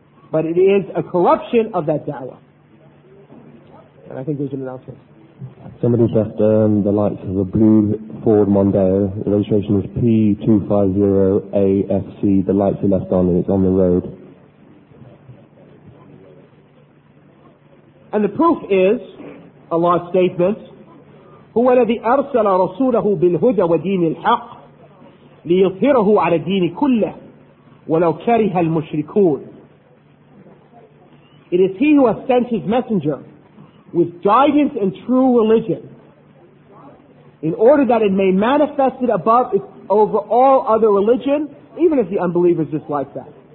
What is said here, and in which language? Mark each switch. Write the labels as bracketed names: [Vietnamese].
[English] But it is a corruption of that da'wah. And I think there's an announcement. Somebody's left the lights of a blue Ford Mondeo. The registration is P250AFC. The lights are left on and it's on the road. And the proof is Allah's statement, [Arabic] هُوَ الَّذِي أَرْسَلَ رَسُولَهُ بِالْهُدَى وَدِينِ الْحَقِّ لِيُظْهِرَهُ عَلَى الدِّينِ كُلَّهِ وَلَوْ كَرِهَ الْمُشْرِكُونَ. [English] It is He who has sent His Messenger with guidance and true religion in order that it may manifest it above over all other religion, even if the unbelievers dislike that.